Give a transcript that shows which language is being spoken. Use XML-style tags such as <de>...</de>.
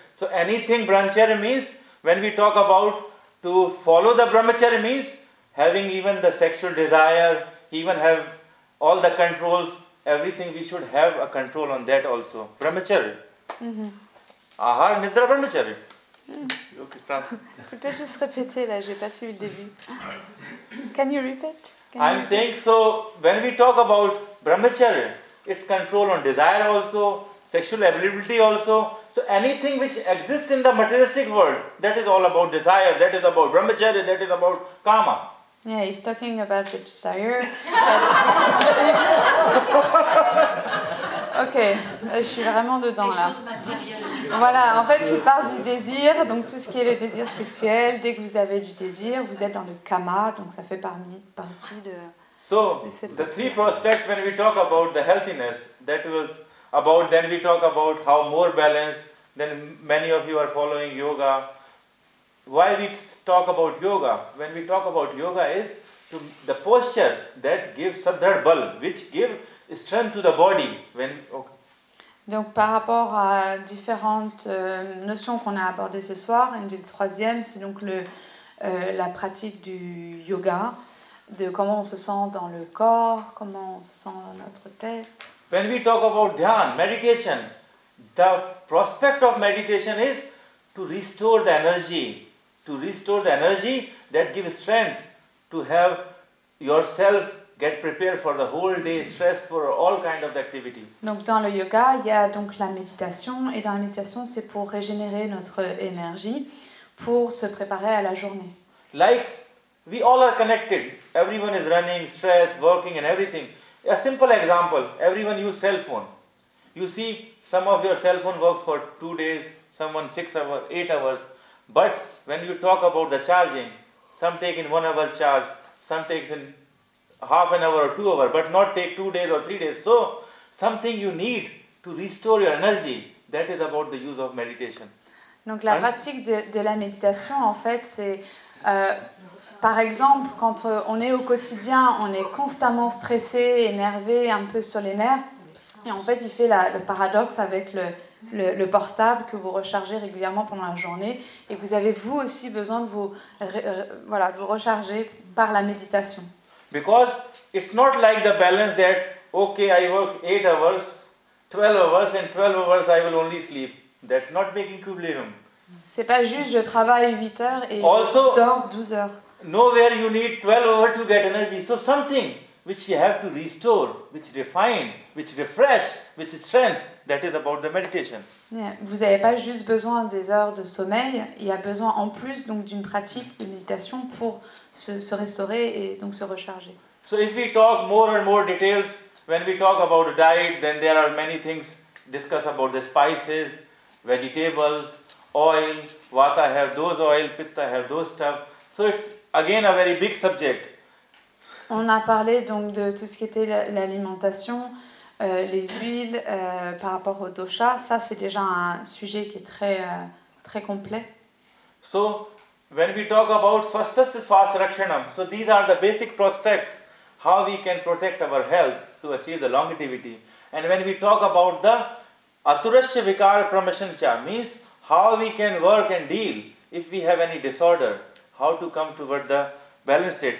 <en>So anything brahmacharya means, when we talk about to follow the brahmacharya means having even the sexual desire, even have all the controls, everything we should have a control on that also.</en> <sa>Brahmacharya. Mm-hmm. Ahar nidra brahmacharya.</sa> <fr>Tu peux juste répéter là, j'ai pas suivi le début.</fr> <en>Can you repeat? I'm saying so when we talk about brahmacharya, it's control on desire also, sexual availability also. So anything which exists in the materialistic world, that is all about desire, that is about brahmacharya, that is about kama. Yeah, he's talking about the desire.</en> <fr>Ok, je suis vraiment dedans là. Voilà, en fait, il parle du désir, donc tout ce qui est le désir sexuel, dès que vous avez du désir, vous êtes dans le kama, donc ça fait partie de</fr> <en>So, the three prospects when we talk about the healthiness, that was about, then we talk about how more balance, then many of you are following yoga. Why we talk about yoga? When we talk about yoga is to the posture that gives sadhar bal, which gives strength to the body.</en> <fr>Donc par rapport à différentes notions qu'on a abordées ce soir, une des troisièmes, c'est donc la pratique du yoga, de comment on se sent dans le corps, comment on se sent dans notre tête.</fr> <en>When we talk about dhyan, meditation, the prospect of meditation is to restore the energy, that gives strength to have yourself get prepared for the whole day, stress for all kind of activity.</en> <fr>Donc dans le yoga, il y a donc la méditation, et dans la méditation, c'est pour régénérer notre énergie, pour se préparer à la journée.</fr> <en>Like, we all are connected. Everyone is running, stress, working and everything. A simple example, everyone use cell phone. You see, some of your cell phone works for 2 days, someone 6 hours, 8 hours. But when you talk about the charging, some take in 1 hour charge, some takes in half an hour or 2 hours, but not take 2 days or 3 days. So, something you need to restore your energy, that is about the use of meditation.</en> <fr>Donc la pratique de la méditation, en fait, c'est, par exemple, quand on est au quotidien, on est constamment stressé, énervé, un peu sur les nerfs, et en fait, il fait le paradoxe avec le portable que vous rechargez régulièrement pendant la journée, et vous avez vous aussi besoin de vous recharger par la méditation.</fr> <en>Because it's not like the balance that, okay, I work 8 hours, 12 hours, and 12 hours I will only sleep. That's not making equilibrium.</en> <fr>C'est pas juste je travaille 8 heures et</fr> <en>also,</en> <fr>je dors 12 heures.</fr> <en>Nowhere you need 12 hours to get energy. So something which you have to restore, which refine, which refresh, which strength, that is about the meditation. Yeah.</en> <fr>Vous n'avez pas juste besoin des heures de sommeil, il y a besoin en plus donc d'une pratique de méditation pour se restaurer et donc se recharger.</fr> <en>So if we talk more and more details, when we talk about diet, then there are many things discussed about the spices, vegetables, oil, vata have those oil, pitta have those stuff. So it's again a very big subject.</en> <fr>On a parlé donc de tout ce qui était l'alimentation, les huiles, par rapport au dosha. Ça, c'est déjà un sujet qui est très, très complet.</fr> <en>So, when we talk about</en> <sa>swastas swasta rakshanam,</sa> <en>so these are the basic prospects, how we can protect our health to achieve the longevity. And when we talk about the</en> <sa>aturashya vikara pramashancha,</sa> <en>means how we can work and deal if we have any disorder, how to come toward the balance state.</en>